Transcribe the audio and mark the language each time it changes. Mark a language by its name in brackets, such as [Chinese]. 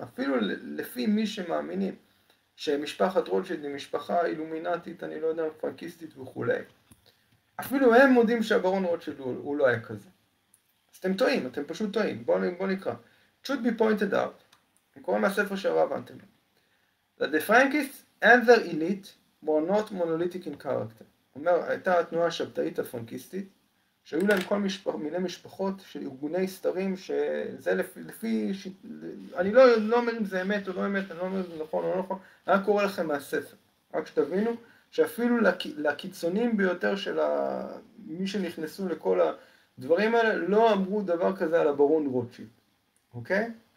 [Hebrew] אפילו לפי מי שמאמינים שמשפחת רוטשילד היא משפחה אילומינטית, אני לא יודע, פרנקיסטית וכולי. אפילו הם מודים שהברון רוטשילד הוא לא היה כזה. אז אתם טועים, אתם פשוט טועים. בוא נקרא. [English] Should be pointed out. [Hebrew] אני קורא מהספר של הרב אנטמי. [English] That the Frankists and their elite were not monolithic in character. [Hebrew] אומר, הייתה התנועה השבתאית הפרנקיסטית, שהיו להם כל מיני משפחות של ארגוני סתרים, שזה לפי... אני לא אומר אם זה אמת או לא אמת, אני לא אומר אם זה נכון או לא נכון, אני רק קורא לכם מהספר. רק שתבינו שאפילו לקיצונים ביותר של מי שנכנסו לכל הדברים האלה, לא אמרו דבר כזה על הברון רוטשילד. אוקיי?